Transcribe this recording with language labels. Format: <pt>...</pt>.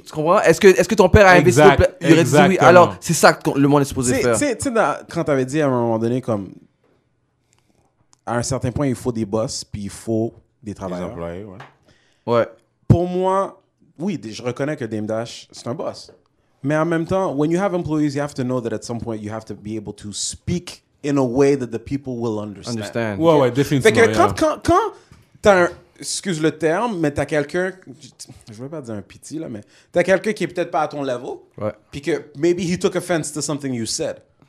<fr>Tu comprends? Est-ce que ton père a investi? Exact, il aurait dit oui. Alors, c'est ça que le monde est supposé faire. Tu sais, quand t'avais dit à un moment donné, comme à un certain point, il faut des boss, puis il faut des travailleurs. Des employés, ouais. Ouais. Pour moi, oui, je reconnais que Dame Dash, c'est un boss. Mais en même temps,</fr> <en>when you have employees, you have to know that at some point, you have to be able to speak in a way that the people will understand.</en> <fr>Ouais, ouais, définitivement. Fait que quand t'as un. Excuse le terme, mais t'as quelqu'un, je veux pas dire un pitié là, mais t'as quelqu'un qui est peut-être pas à ton level, puis que</fr> <en>maybe he took offense to something you said.</en>